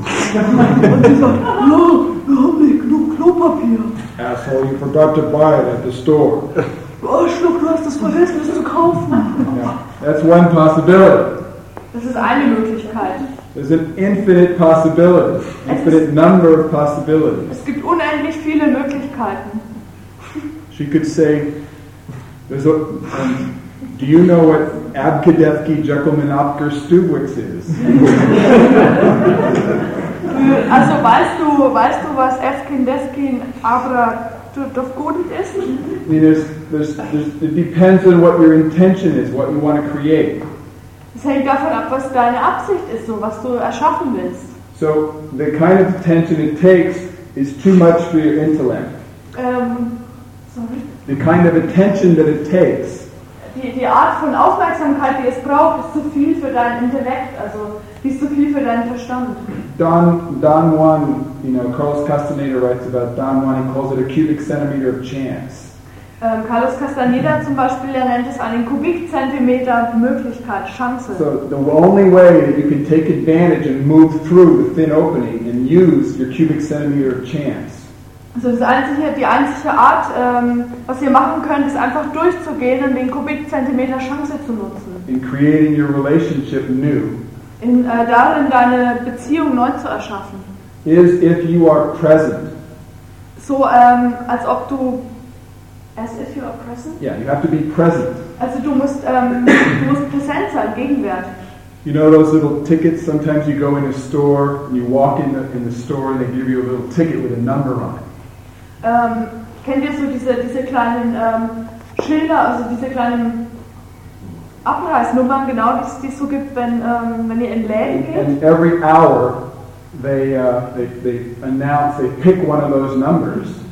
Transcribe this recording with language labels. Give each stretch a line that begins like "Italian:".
German: Und sie sagt,
English: no,
German: wir haben nicht genug Klopapier.
English: Asshole, you forgot to buy it at the store.
German: Arschloch, du hast das vergessen, das zu kaufen.
English: Yeah, that's one possibility.
German: Das ist eine Möglichkeit.
English: There's an infinite possibility, infinite number of possibilities.
German: Es gibt unendlich viele Möglichkeiten.
English: She could say, do you know what Abkadevki Jekyll-Menopker Stubwix is?
German: Also weißt du was Abkadevki Abra-Dovgodit ist?
English: I mean, it depends on what your intention is, what you want to create.
German: Es hängt davon ab, was deine Absicht ist und was du erschaffen willst.
English: So the kind of attention it takes is too much for your intellect. Sorry. The kind of attention that it takes.
German: Die Art von Aufmerksamkeit, die es braucht, ist zu viel für dein Intellekt, also die ist zu viel für deinen Verstand.
English: Don Juan, you know, Carlos Castaneda writes about Don Juan, he calls it a cubic centimeter of chance.
German: Carlos Castaneda zum Beispiel, er nennt es einen Kubikzentimeter Möglichkeit, Chance.
English: So the only way that you can take advantage and move through the thin opening and use your cubic centimeter of chance.
German: Also die einzige Art, was ihr machen könnt, ist einfach durchzugehen und den Kubikzentimeter Chance zu nutzen.
English: In creating your relationship new.
German: In darin deine Beziehung neu zu erschaffen.
English: Is if you are present.
German: So als ob du,
English: as if you are present. Yeah, you have to be present.
German: Also du musst präsent sein, gegenwärtig.
English: You know those little tickets? Sometimes you go in a store and you walk in the store and they give you a little ticket with a number on it.
German: Kennt ihr so diese kleinen Schilder, also diese kleinen Abreißnummern, genau die es so gibt, wenn ihr in Läden geht?
English: And every hour they announce, they pick one of those numbers.